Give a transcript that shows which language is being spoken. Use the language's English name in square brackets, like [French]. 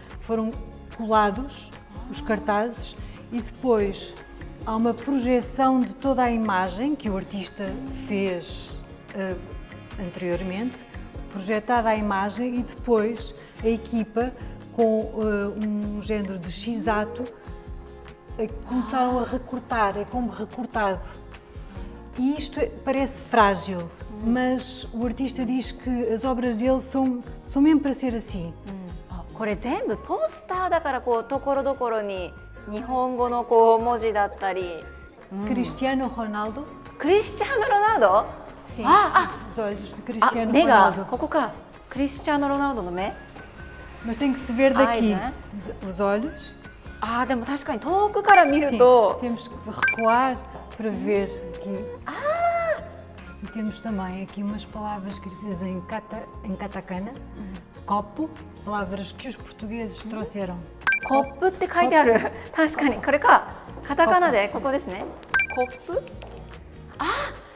[Portuguese] Foram colados os cartazes e depois há uma projeção de toda a imagem que o artista fez anteriormente, projetada a imagem e depois a equipa com um género de X-ato começaram a recortar, é como recortado. E isto parece frágil, mas o artista diz que as obras dele são mesmo para ser assim. [Japanese] これ全部ポスターだからこうところどころに日本語のこう文字だったり。 [Portuguese] Cristiano Ronaldo? Cristiano Ronaldo? Sim. Os olhos de Cristiano Ronaldo. [Japanese] ここか。Cristiano Ronaldo の目。 [Portuguese] Mas tem que se ver daqui. Os olhos. [Japanese] Ah, でも確かに遠くから見ると。 [Portuguese] Temos que recuar. Para ver aqui. Ah! E temos também aqui umas palavras escritas em katakana. Copo. Palavras que os portugueses trouxeram. Copo, está escrito aqui. Tanto que, [Japanese] これか [Portuguese] katakana de, [Japanese] ここですね. [Portuguese] Copo. Ah!